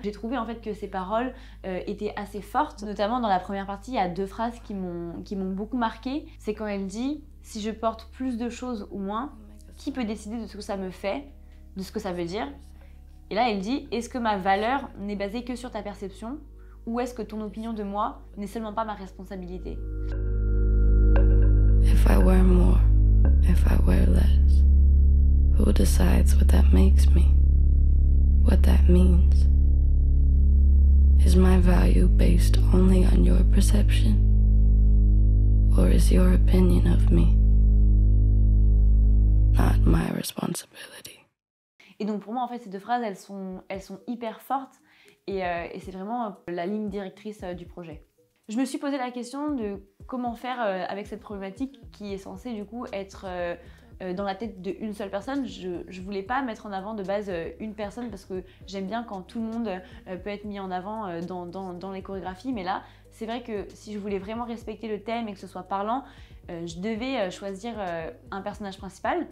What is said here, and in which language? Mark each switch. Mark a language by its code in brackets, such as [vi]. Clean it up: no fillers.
[fr] J'ai trouvé en fait que ces paroles étaient assez fortes. Notamment dans la première partie, il y a deux phrases qui m'ont beaucoup marquée. C'est quand elle dit « Si je porte plus de choses ou moins, qui peut décider de ce que ça me fait, de ce que ça veut dire ?» Et là, elle dit « Est-ce que ma valeur n'est basée que sur ta perception ? Ou est-ce que ton opinion de moi n'est seulement pas ma responsabilité ?» [en] If I wear more, if I wear less, who decides what that makes me, what that means? Is my value based only on your perception? Or is your opinion of me not my responsibility? [fr] Et donc pour moi, en fait, ces deux phrases, elles sont hyper fortes et c'est vraiment la ligne directrice du projet. Je me suis posé la question de comment faire avec cette problématique qui est censée du coup être dans la tête d'une seule personne. Je voulais pas mettre en avant de base une personne parce que j'aime bien quand tout le monde peut être mis en avant dans les chorégraphies, mais là, c'est vrai que si je voulais vraiment respecter le thème et que ce soit parlant, je devais choisir un personnage principal.